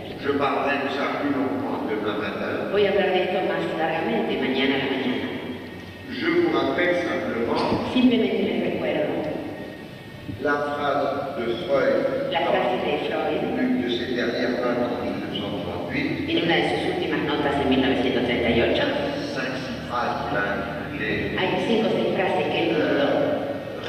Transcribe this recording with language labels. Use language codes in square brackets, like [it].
[fr] Je parlerai de ça plus longuement demain matin. [es] Voy a hablar de esto más largamente mañana a la mañana. [fr] Je vous rappelle simplement. [es] Simplemente les recuerdo. [fr] La phrase de Freud. [es] La frase de Freud. [fr] Une de ses dernières notes en 1938. [es] En una de sus últimas notas en 1938. [fr] Cinq, six phrases qu'il a intitulées. [es] Hay cinco o seis frases que él dijo.